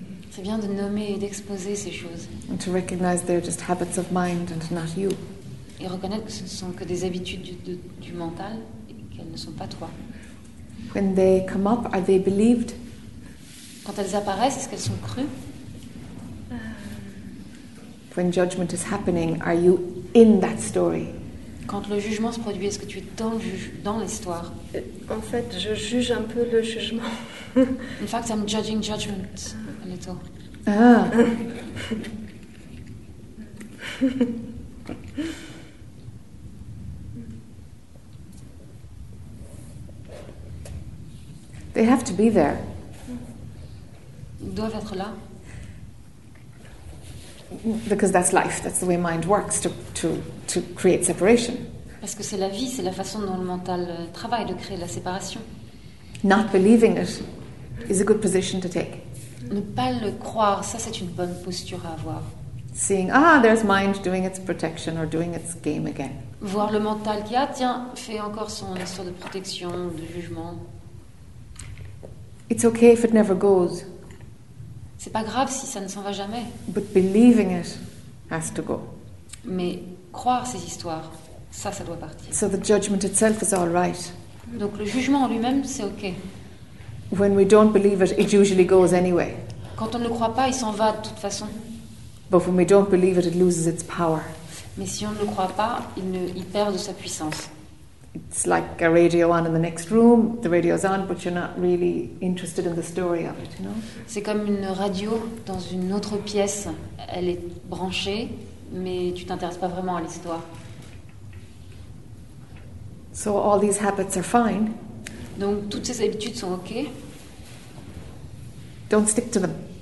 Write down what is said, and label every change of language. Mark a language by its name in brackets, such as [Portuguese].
[French] C'est bien de nommer et d'exposer ces choses. [English] And to recognize they're just habits of mind and not you. [French] Et reconnaître que ce ne sont que des habitudes du mental et qu'elles ne sont pas toi. [English] When they come up, are they believed? [French] Quand elles apparaissent, est-ce qu'elles sont crues? [English] When judgment is happening, are you in that story? [French] Quand le jugement se produit, est-ce que tu es dans l'histoire? En fait, je juge un peu le jugement. [English] In fact, I'm judging judgment a little. Ah. They have to be there. [French] Ils doivent être là. [English] Because that's life. That's the way mind works to create separation. [French] Parce que c'est la vie, c'est la façon dont le mental travaille de créer la séparation. [English] Not believing it is a good position to take. [French] Ne pas le croire, ça c'est une bonne posture à avoir. [English] Seeing there's mind doing its protection or doing its game again. [French] Voir le mental qui fait encore son histoire de protection, de jugement. [English] It's okay if it never goes. [French] C'est pas grave si ça ne s'en va jamais. [English] But believing it has to go. [French] Mais croire ces histoires, ça doit partir. [English] So the judgment itself is all right. [French] Donc le jugement en lui-même, c'est ok. [English] When we don't believe it, it usually goes anyway. [French] Quand on ne le croit pas, il s'en va de toute façon. [English] But when we don't believe it, it loses its power. [French] Mais si on ne le croit pas, il perd de sa puissance. [English] It's like a radio on in the next room. The radio's on, but you're not really interested in the story of it, you know? [French] C'est comme une radio dans une autre pièce. Elle est branchée, mais tu t'intéresses pas vraiment à l'histoire. [English] So all these habits are fine. [French] Donc toutes ces habitudes sont ok. [English] Don't stick to them.